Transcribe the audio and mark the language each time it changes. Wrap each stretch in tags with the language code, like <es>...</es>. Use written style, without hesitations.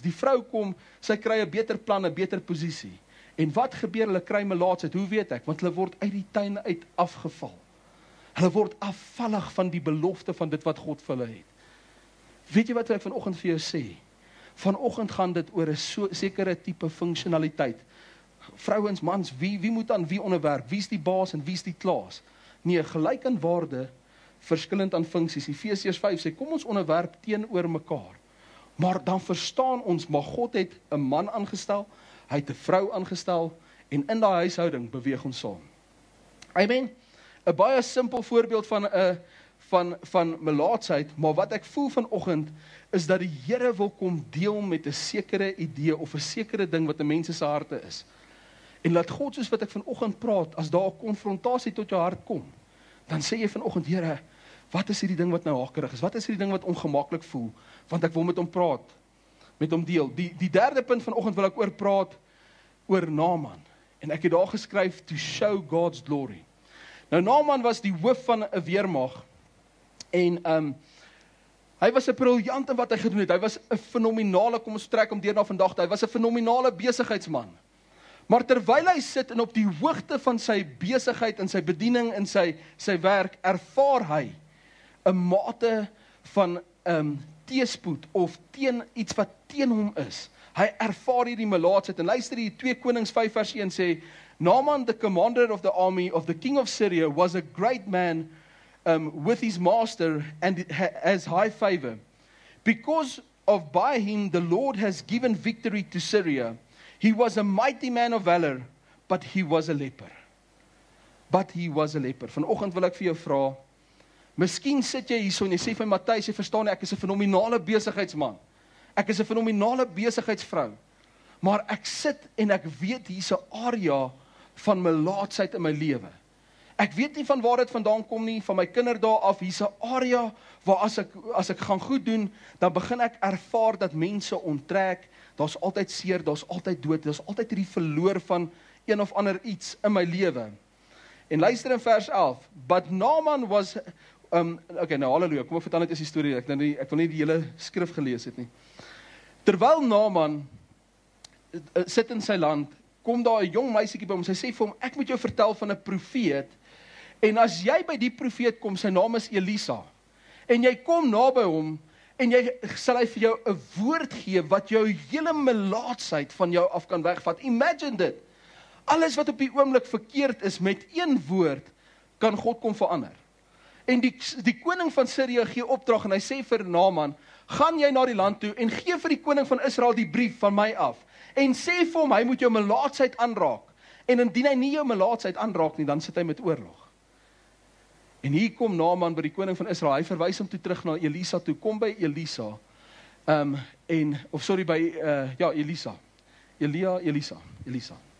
<af>Die vrou kom, sy kry 'n beter plan, 'n beter posisie. En wat gebeur, hulle kry melaatsheid, hoe weet ek? Want hulle word uit die tuin uit afgeval. Hulle word afvallig van die belofte van dit wat God vir hulle het. Weet jy wat ek vanoggend vir jou sê? Vanoggend gaan dit oor 'n sekere type funksionaliteit. Vrouens, mans, wie moet aan wie onderwerp? Wie is die baas en wie is die klaas? Nee, gelyk in waarde, verskillend aan funksies. Efesiërs 5 sê, kom ons onderwerp teenoor mekaar. Maar dan verstaan ons, maar God het 'n man aangestel, hy het 'n vrou aangestel, en in die huishouding beweeg ons saam. Amen. 'N Baie simpel voorbeeld van melaatsheid, maar wat ek voel vanoggend, is dat die Here wil kom deel met 'n sekere idee, of 'n sekere ding wat in mense se harte is. En laat God, soos wat ek vanoggend praat, as daar 'n konfrontasie tot jou hart kom, dan sê jy vanoggend, Here, wat is hierdie ding wat nou hakerig is? Wat is hierdie ding wat ongemaklik voel? Want ek wil met hom praat, met hom deel. Die derde punt vanoggend wil ek oor praat, oor Naaman. En ek het daar geskryf,</af> <en>to show God's glory.</en> <af>Nou, Naaman was die hoof van 'n weermag, en hy was 'n briljant in wat hy gedoen het. Hy was 'n fenomenale, kom ons trek om deur na vandag, hy was 'n fenomenale besigheidsman. Maar terwyl hy sit en op die hoogte van sy besigheid en sy bediening en sy werk, ervaar hy 'n mate van teespoed of teen iets wat teen hom is. Hy ervaar hierdie melaatsheid. En luister, hier 2 Konings 5 vers 1 sê,</af> <en>Naaman, the commander of the army of the king of Syria, was a great man with his master and has high favor. Because of by him the Lord has given victory to Syria. He was a mighty man of valor, but he was a leper.</en> <af>Vanoggend wil ek vir jou vra, miskien sit jy hierso en jy sê vir Matthys, jy verstaan nie, ek is 'n fenomenale besigheidsman. Ek is 'n fenomenale besigheidsvrou. Maar ek sit en ek weet hierse area van melaatsheid in my lewe. Ek weet nie van waar dit vandaan kom nie, van my kinderdae af, hierse area waar as ek gaan goed doen, dan begin ek ervaar dat mense onttrek. Daar's altyd seer, daar's altyd dood, daar's altyd hierdie verloor van een of ander iets in my lewe. En luister in vers 11.</af> <en>But Naaman was</en> <af>halleluja, kom ek vertel net is die storie. Ek wil nie die hele skrif gelees het nie. Terwyl Naaman sit in sy land, kom daar 'n jong meisietjie by hom. Sy sê vir hom, ek moet jou vertel van 'n profeet. En as jy by die profeet kom, sy naam is Elisa, en jy kom naby hom, en jy sal hy vir jou 'n woord gee wat jou hele melaatsheid van jou af kan wegvat. Imagine dit. Alles wat op die oomblik verkeerd is, met een woord kan God kom verander. En die koning van Sirië gee opdrag en hy sê vir Naaman, gaan jy na die land toe en gee vir die koning van Israel die brief van my af. En sê vir hom, hy moet jou melaatsheid aanraak. En indien hy nie jou melaatsheid aanraak nie, dan sit hy met oorlog. En hier kom Naaman by die koning van Israel, hy verwys hom toe terug na Elisa toe, kom by Elisa, Elisa.</af>